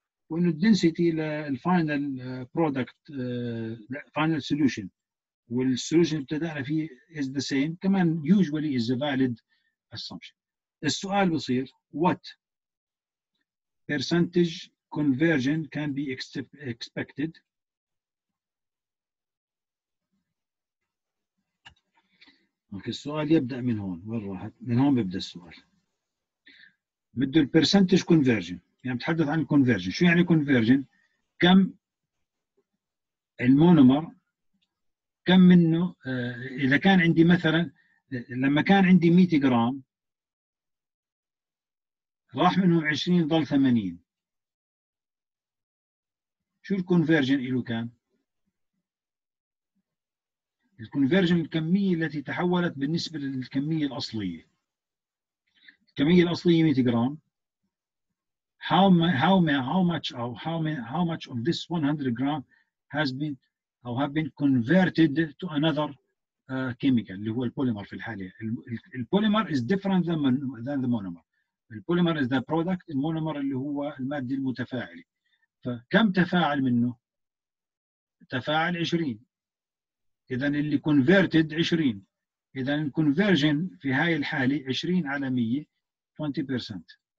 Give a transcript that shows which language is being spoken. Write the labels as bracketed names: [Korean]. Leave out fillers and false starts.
[Arabic] وإنه الدنسيتي للفاينل برودكت فاينل سوليوشن والسوليوشن اللي ابتدأنا فيه [English] is the same [Arabic] كمان [English] usually is a valid assumption. [Arabic] السؤال بصير [English] what percentage conversion can be expected okay. [Arabic] السؤال يبدأ من هون. وين راحت؟ من هون بيبدأ السؤال. بده percentage conversion يعني بتحدث عن conversion. شو يعني conversion؟ كم المونومر كم منه إذا كان عندي مثلا لما كان عندي 100 جرام راح منهم 20 ضل 80. شو الكونفيرجن إلو كان؟ الكونفيرجن الكمية التي تحولت بالنسبة للكمية الأصلية. الكمية الأصلية 100 جرام. [English] How much of this 100 gram has been or have been converted to another chemical, [Arabic] اللي هو البوليمر في الحالة. [English] البوليمر is different than the monomer. [Arabic] البوليمر [English] is the product, [Arabic] المونومر اللي هو المادة المتفاعلة. فكم تفاعل منه؟ تفاعل 20. إذن اللي converted 20. إذن conversion في هاي الحالة 20 على 100 20%.